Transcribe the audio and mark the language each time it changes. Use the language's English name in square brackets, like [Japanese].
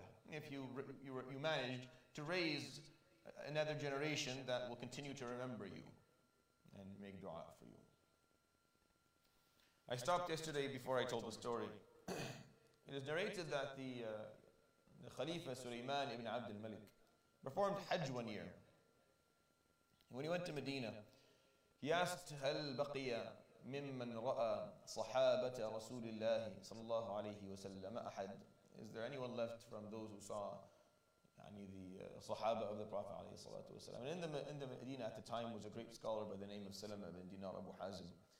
[English] If you managed to raise another generation that will continue to remember you and make dua for you. I stopped yesterday before I told the story. It is narrated that the Khalifa Sulaiman ibn Abd al-Malik performed Hajj one year. When he went to Medina, he asked, [Arabic] هَلْ بَقِيَ مِمَّنْ رَأَى صَحَابَةَ رَسُولِ اللَّهِ صَلَى اللَّهُ عَلَيْهِ وَسَلَّمَ أَحَدٍ. [English] Is there anyone left from those who saw the Sahaba of the Prophet ﷺ? And in the Medina at the time was a great scholar by the name of Salama bin Dinar Abu Hazim.